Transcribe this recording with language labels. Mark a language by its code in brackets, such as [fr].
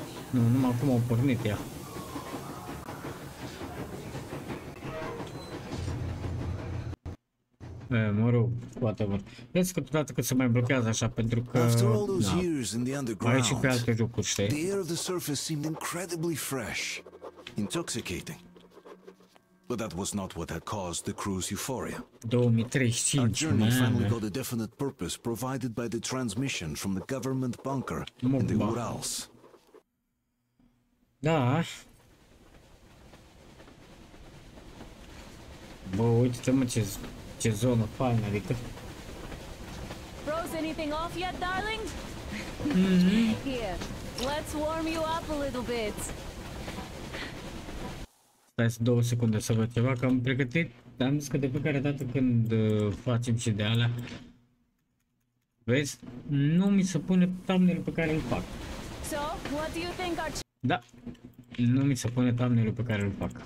[ro] Nu, numai acum a pornit ea. Mă rog, poate mă. Vezi că totodată că se mai blochează așa, pentru că... [en] After all those years in the underground, [ro] aici și pe alte jocuri, știi? [en] The air of the surface seemed incredibly fresh. Intoxicating. But that was not what had caused the crew's euphoria. 2035, our journey finally got a definite purpose provided by the transmission from the government bunker in the Urals. [ro] Da. Bă, uite-te mă ce zonă faină, adică. [en] Froze anything off yet, darling? Here, let's warm you up a little bit. [ro] Stai să două secunde să văd ceva, că am pregătit, am zis că de fiecare dată când facem și de alea, vezi, nu mi se pune thumbnail-ul pe care îl fac. [en] So, what do you think our... [ro] Da, nu mi se pune thumbnail-ul pe care îl fac.